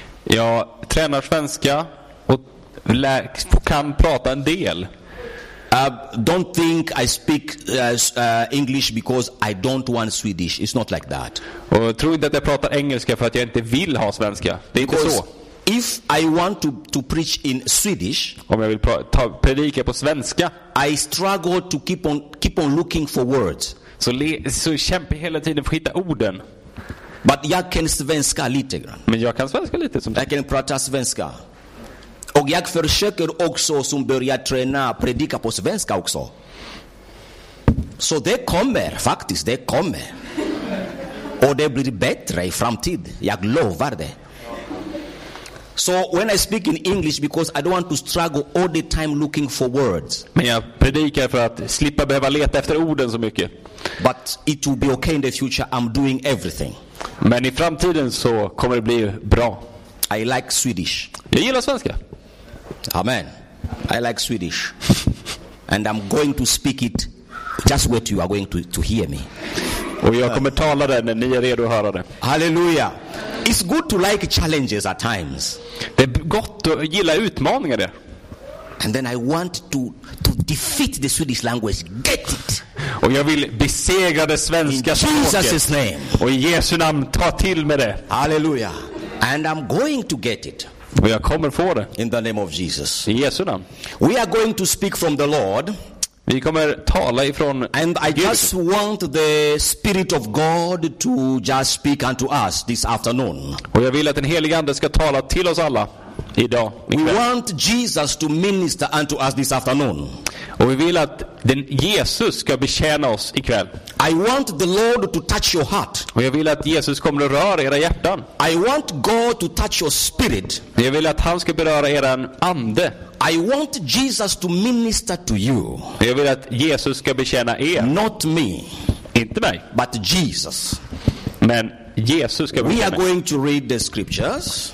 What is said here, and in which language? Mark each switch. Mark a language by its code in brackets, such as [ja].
[sv] Jag tränar svenska och kan prata en del. [en] Don't think I speak English because I don't want Swedish. It's not like that. [sv] Och tror inte att jag pratar engelska för att jag inte vill ha svenska. Det är [en] because [sv] inte så. [en] If I want to preach in Swedish, [sv] om jag vill predika på svenska, [en] I struggle to keep on looking for words. [sv] Så kämpa hela tiden för att hitta orden. But jag kan svenska lite grann. Men jag kan svenska lite som jag kan prata svenska. Och jag försöker också som börjar träna predika på svenska också. Så det kommer faktiskt, det kommer. Och det blir bättre i framtid. Jag lovar det. [en] So when I speak in English because I don't want to struggle all the time looking for words. [sv] Men jag predikar för att slippa behöva leta efter orden så mycket. [en] But it will be okay in the future. I'm doing everything. [sv] Men i framtiden så kommer det bli bra. [en] I like Swedish. [sv] Jag gillar svenska. [en] Amen. I like Swedish. And I'm going to speak it just what you are going to hear me. [sv] Och jag kommer tala det när ni är redo att höra det. [en] Hallelujah. It's good to like challenges at times. [sv] Det är gott att gilla utmaningar det. [en] And then I want to defeat the Swedish language. Get it. [sv] Och jag vill besegra det svenska [en] språket. In Jesus' name. [sv] Och i Jesu namn, ta till med det. [en] Hallelujah. And I'm going to get it. [sv] Och jag kommer få det. [en] In the name of Jesus. [sv] I Jesu namn. [en] We are going to speak from the Lord. [sv] Vi kommer tala ifrån [en] and I [sv] Gud. [en] Just want the spirit of God to just speak unto us this afternoon. [sv] Och jag vill att den helige ande ska tala till oss alla idag. [en] We want Jesus to minister unto us this afternoon. [sv] Och vi vill att den Jesus ska betjäna oss ikväll. [en] I want the Lord to touch your heart. [sv] Och jag vill att Jesus kommer att röra era hjärtan. [en] I want God to touch your spirit. [sv] Jag vill att han ska beröra er ande. [en] I want Jesus to minister to you. [sv] Jag vill att Jesus ska betjäna er. [en] Not me. [sv] Inte mig. [en] But Jesus. [sv] Men Jesus ska [en] betjäna. We are going to read the scriptures.